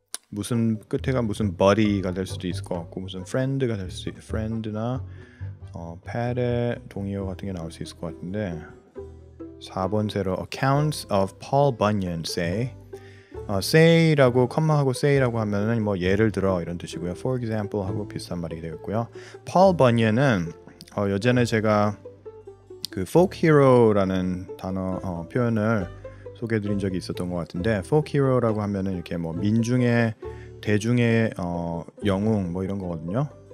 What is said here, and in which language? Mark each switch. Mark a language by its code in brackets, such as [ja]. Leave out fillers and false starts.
[ko] 무슨 끝에가 무슨 buddy가 될 수도 있을 것 같고 무슨 friend가 될 수 friend나 pal의 동의어 같은 게 나올 수 있을 것 같은데. 4번 세로. [en] Accounts of Paul Bunyan say. [ko] Say라고 콤마하고 say라고 하면은 뭐 예를 들어 이런 뜻이고요. For example하고 비슷한 말이 되겠고요. Paul Bunyan은 예전에 제가 그 folk hero라는 단어 표현을 소개해드린 적이 있었던 것 같은데 folk hero라고 하면은 이렇게 뭐 민중의 대중의 영웅 뭐 이런 거거든요.